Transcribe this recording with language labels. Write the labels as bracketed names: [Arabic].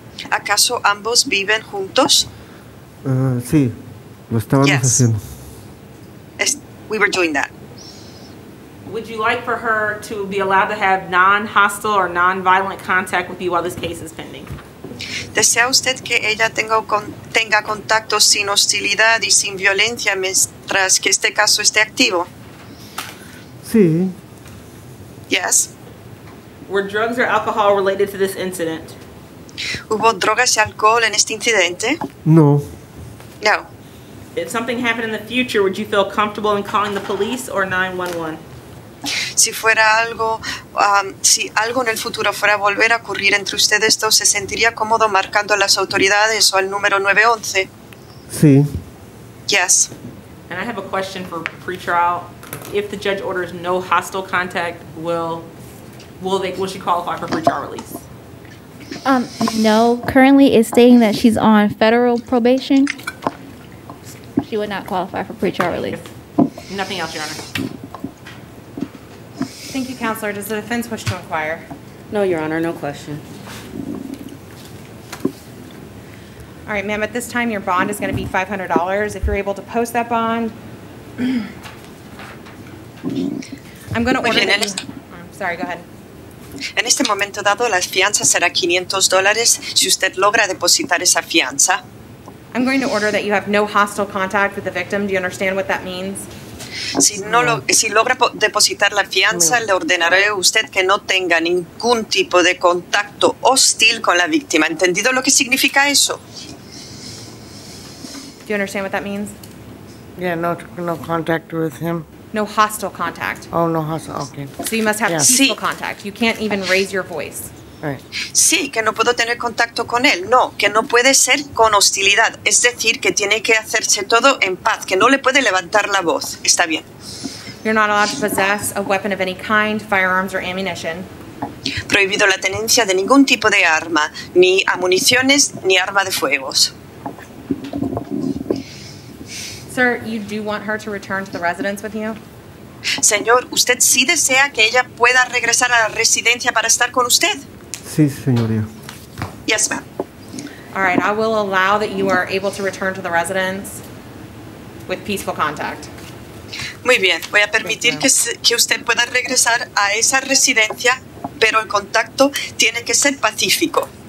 [Spanish] ¿Acaso ambos viven juntos? Sí, lo estábamos [English] yes. [Spanish] haciendo. [English] We were doing that. Would you like for her to be allowed to have non-hostile or non-violent contact with you while this case is pending? [Spanish] ¿Desea usted que ella tenga contacto sin hostilidad y sin violencia mientras que este caso esté activo? Sí. [English] Yes. Were drugs or alcohol related to this incident? [Spanish] ¿Hubo drogas y alcohol en este incidente? No. No. [English] if something happened in the future, would you feel comfortable in calling the police or 911? [Spanish] Si fuera algo, si algo en el futuro fuera a volver a ocurrir entre ustedes dos, ¿se sentiría cómodo marcando a las autoridades o al número 911? Sí. [English] Yes. And I have a question for pretrial. If the judge orders no hostile contact, will she qualify for pretrial release? No. Currently, it's stating that she's on federal probation. She would not qualify for pretrial release. Nothing else, Your Honor. Thank you, Counselor. Does the defense wish to inquire? No, Your Honor. No question. All right, ma'am, at this time, your bond is going to be $500. If you're able to post that bond, I'm going to order it. Sorry, go ahead. [Spanish] En este momento dado, la fianza será $500 si usted logra depositar esa fianza. [English] I'm going to order that you have no hostile contact with the victim. Do you understand what that means? [Spanish] Si logra depositar la fianza, le ordenaré a usted que no tenga ningún tipo de contacto hostil con la víctima. ¿Entendido lo que significa eso? [English] Do you understand what that means? Yeah, no contact with him. No hostile contact. Oh, no hostile, okay. So you must have peaceful contact. You can't even raise your voice. Right. [Spanish] Sí, que no puedo tener contacto con él. No, que no puede ser con hostilidad. Es decir, que tiene que hacerse todo en paz, que no le puede levantar la voz. Está bien. [English] You're not allowed to possess a weapon of any kind, firearms or ammunition. [Spanish] Prohibido la tenencia de ningún tipo de arma, ni a municiones, ni arma de fuegos. [English] Sir, you do want her to return to the residence with you? [Spanish] Señor, ¿usted sí desea que ella pueda regresar a la residencia para estar con usted? Sí, señoría. [English] Yes, ma'am. All right, I will allow that you are able to return to the residence with peaceful contact. [Spanish] Muy bien, voy a permitir que usted pueda regresar a esa residencia, pero el contacto tiene que ser pacífico.